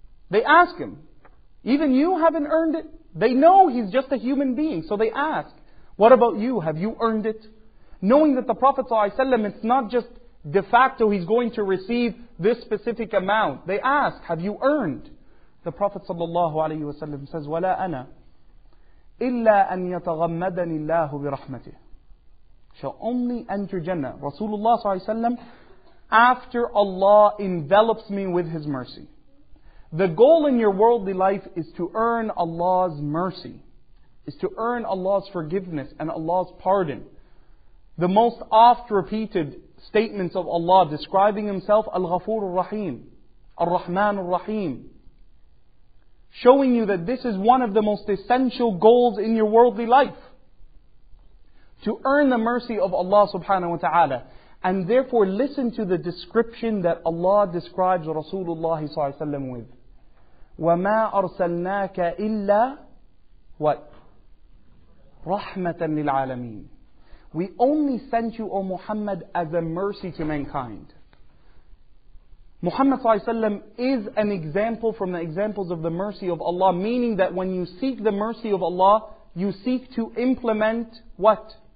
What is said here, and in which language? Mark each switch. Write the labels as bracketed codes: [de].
[en] They ask him, even you haven't earned it? They know he's just a human being. So they ask, what about you? Have you earned it? Knowing that the Prophet ﷺ, it's not just de facto he's going to receive this specific amount. They ask, have you earned? The Prophet ﷺ says, [ar] وَلَا أَنَا إِلَّا أَنْ يَتَغَمَّدَنِ اللَّهُ بِرَحْمَتِهِ. [en] Shall only enter Jannah. Rasulullah ﷺ, after Allah envelops me with His mercy. The goal in your worldly life is to earn Allah's mercy, is to earn Allah's forgiveness and Allah's pardon. The most oft-repeated statements of Allah describing Himself, Al-Ghafoor Al-Rahim, Al-Rahman Al-Rahim, showing you that this is one of the most essential goals in your worldly life. To earn the mercy of Allah subhanahu wa ta'ala. And therefore listen to the description that Allah describes Rasulullah ﷺ with. [ar] وَمَا أَرْسَلْنَاكَ إِلَّا [en] what? [ar] رَحْمَةً لِلْعَالَمِينَ. [en] We only sent you, O Muhammad, as a mercy to mankind. Muhammad ﷺ is an example from the examples of the mercy of Allah, meaning that when you seek the mercy of Allah, you seek to implement what?